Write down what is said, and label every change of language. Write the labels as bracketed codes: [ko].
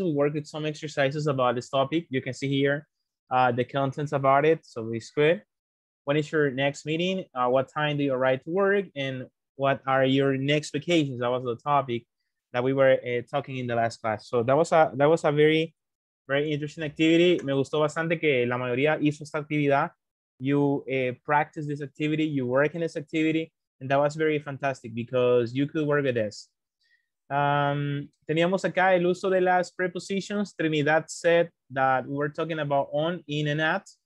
[en] We worked with some exercises about this topic. You can see here the contents about it. So we squid. When is your next meeting? What time do you arrive to work? And what are your next vacations? That was the topic that we were talking in the last class. So that was a very, very interesting activity. [es] Me gustó bastante que la mayoría hizo esta actividad. [en] You practice this activity, you work in this activity, and that was very fantastic because you could work with this. [es] Teníamos acá el uso de las prepositions. [en] Trinidad said that we were talking about on, in, and at.